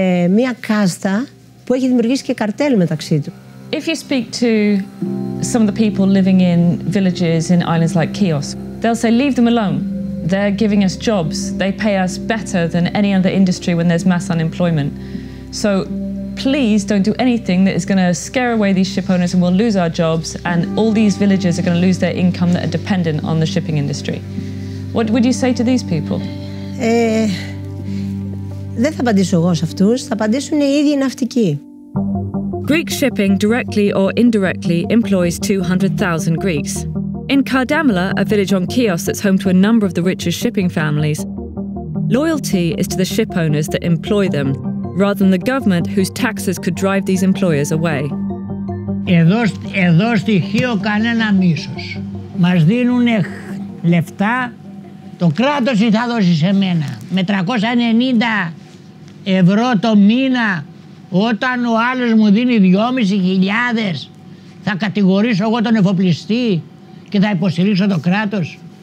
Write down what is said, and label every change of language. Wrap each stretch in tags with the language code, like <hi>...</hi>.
<el>Μία κάστα που έχει δημιουργήσει και καρτέλ μεταξύ του.</el> <en>If you speak to some of the people living in villages in islands like Chios, they'll say, leave them alone. They're giving us jobs. They pay us better than any other industry when there's mass unemployment. So please don't do anything that is going to scare away these ship owners and we'll lose our jobs and all these villagers are going to lose their income that are dependent on the shipping industry. What would you say to these people?</en> <el>Δεν θα απαντήσω εγώ σε αυτούς, θα απαντήσουν οι ίδιοι ναυτικοί.</el> <en>Greek shipping directly or indirectly employs 200,000 Greeks. In Kardamala, a village on Chios that's home to a number of the richest shipping families, loyalty is to the ship owners that employ them, rather than the government whose taxes could drive these employers away.</en> <el>Εδώ στη Χίο κανένα μίσος. Μας δίνουν λεφτά, το κράτος θα δώσει σε μένα. Με 390 ευρώ το μήνα, όταν ο άλλος μου δίνει 2.500, θα κατηγορήσω εγώ τον εφοπλιστή και θα υποστηρίξω το κράτος.</el>